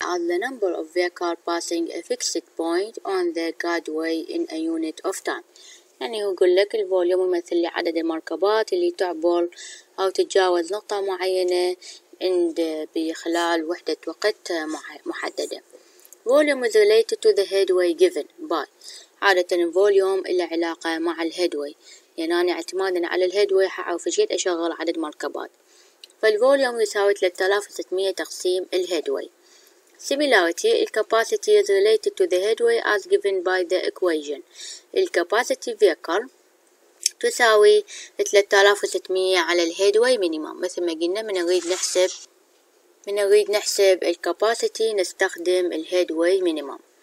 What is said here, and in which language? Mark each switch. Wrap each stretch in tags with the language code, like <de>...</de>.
<en>The number of vehicle passing a fixed point on the guideway in a unit of time.</en> <ar>يعني يقول لك الفوليوم يمثل لي عدد المركبات اللي تعبر أو تتجاوز نقطة معينة عند بخلال وحدة وقت محددة.</ar> <en>Volume is related to the headway given by.</en> <ar>عادة الفوليوم له علاقة مع الهيدوي. يعني أنا اعتمادا على الهيدوي حعرف ايش قد أشغل عدد مركبات. فالفوليوم يساوي 3600 تقسيم الهيدوي.</ar> <en>Similarity, capacity is related to the headway as given by the equation. Capacity vehicle</en> <ar>تساوي 3600 على الهيدوي minimum. مثل ما قلنا من نريد نحسب الكاباسيتي نستخدم الهيدوي minimum.</ar>